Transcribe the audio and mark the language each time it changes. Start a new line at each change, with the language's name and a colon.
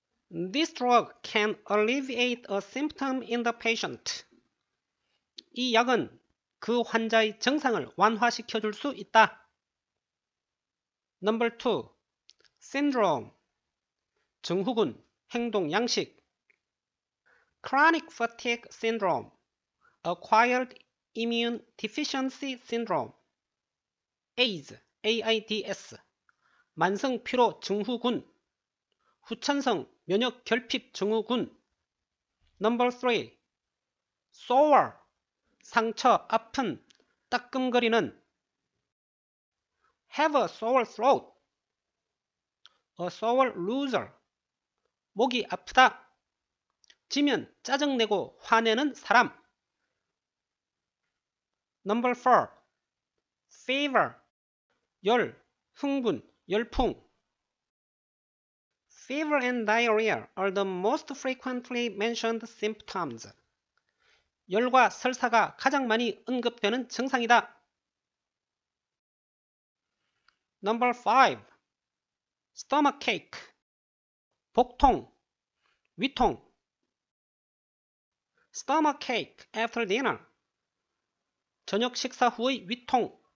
English: This drug can alleviate a symptom in the patient.
Korean: 이 약은 그 환자의 증상을 완화시켜 줄 수 있다.
English: Number 2. Syndrome.
Korean: 증후군, 행동 양식.
English: Chronic fatigue syndrome. Acquired immune deficiency syndrome.
Korean: AIDS, AIDS. 만성 피로 증후군. 후천성 면역 결핍 증후군.
English: Number 3. Sore.
Korean: 상처, 아픈, 따끔거리는.
English: Have a sore throat. A sore loser.
Korean: 목이 아프다. 지면 짜증내고 화내는 사람.
English: Number 4. Fever.
Korean: 열, 흥분, 열풍.
English: Fever and diarrhea are the most frequently mentioned symptoms.
Korean: 열과 설사가 가장 많이 언급되는 증상이다.
English: Number 5. Stomachache.
Korean: 복통, 위통.
English: Stomachache after dinner.
Korean: 저녁 식사 후의 위통.